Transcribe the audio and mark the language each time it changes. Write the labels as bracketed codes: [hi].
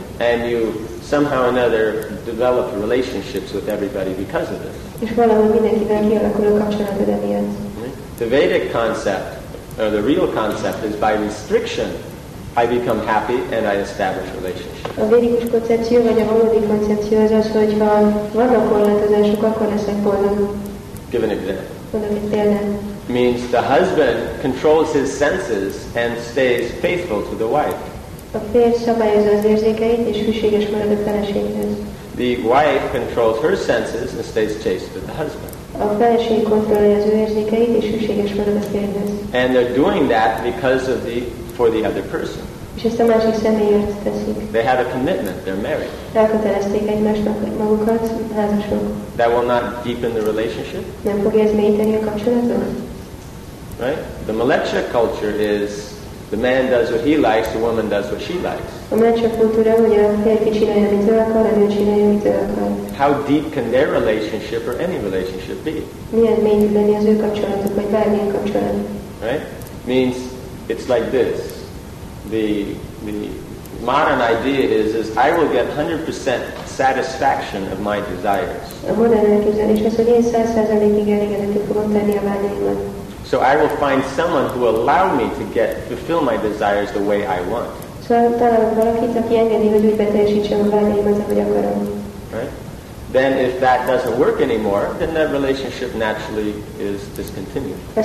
[en] And you somehow or another develop relationships with everybody because of this. [hu] És valahogy mindenkivel kialakul a kapcsolatod emiatt. [en] The Vedic concept, or the real concept, is by restriction I become happy and I establish relationships. [hu] A védikus koncepció, vagy a valódi koncepció az az, hogy ha vannak korlátozások, akkor leszek boldog. [en] Give an example. [hu] Mondom egy példát. [en] Means the husband controls his senses and stays faithful to the wife. [hu] A férj szabályozza az érzékeit, és hűséges marad a feleséghez. [en] The wife controls her senses and stays chaste to the husband. [hu] A feleség kontrollálja az ő érzékeit, és hűséges marad a férjhez. [en] And they're doing that because of the for the other person. [hu] És ezt a másik személyért teszik. [en] They have a commitment, they're married. [hu] Elkötelezték egymásnak magukat, házasok. [en] That will not deepen the relationship. [hu] Nem fogja ez mélyíteni a kapcsolatot. [en] Right? The Malecha culture is the man does what he likes, the woman does what she likes. [hu] A Malecha kultúra, hogy a férfi csinálja, amit ő akar, a nő csinálja, amit ő akar. [en] How deep can their relationship or any relationship be? [hu] Milyen mély tud lenni az ő kapcsolatok, vagy bármilyen kapcsolat. [en] Right? Means it's like this. The modern idea is I will get 100% satisfaction of my desires. [hu] A modern elképzelés az, hogy én 100%-ig elégedettet fogom tenni a vágyaimat. [en] So I will find someone who will allow me to get fulfill my desires the way I want. [hu] So találok valakit, aki engedi, hogy úgy beteljesítsem a vágyaimat, ahogy akarom. [en] Then if that doesn't work anymore, then that relationship naturally is discontinued.